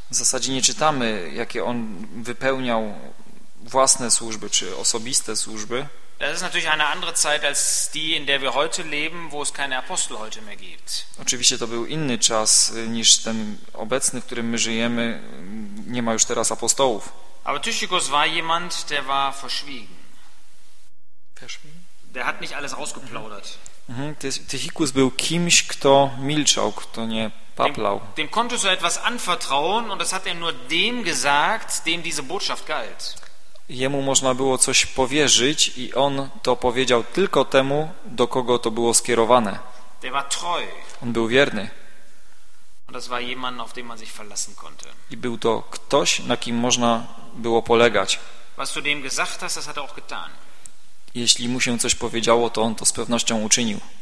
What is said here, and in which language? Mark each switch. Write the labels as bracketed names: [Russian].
[Polish] W zasadzie nie czytamy, jakie on wypełniał własne służby czy osobiste służby. [German] Das ist natürlich eine andere Zeit als die, in der wir heute leben, wo es keine Apostel heute mehr gibt. [Polish] Oczywiście to był inny czas niż ten obecny, w którym my żyjemy. Nie ma już teraz apostołów. [German] Aber Tychikus war jemand, der war verschwiegen. Verschwiegen? Der hat nicht alles ausgeplaudert. [Polish] Tychikus był kimś, kto milczał, kto nie paplał. [German] Dem konntest du etwas anvertrauen und das hat er nur dem gesagt, dem diese Botschaft galt. [Polish] Jemu można było coś powierzyć i on to powiedział tylko temu, do kogo to było skierowane. [German] Der war treu. [Polish] On był wierny. [German] Und das war jemand, auf den man sich verlassen konnte. [Polish] I był to ktoś, na kim można było polegać. [German] Was du dem gesagt hast, das hat er auch getan. [Polish] Jeśli mu się coś powiedziało, to on to z pewnością uczynił.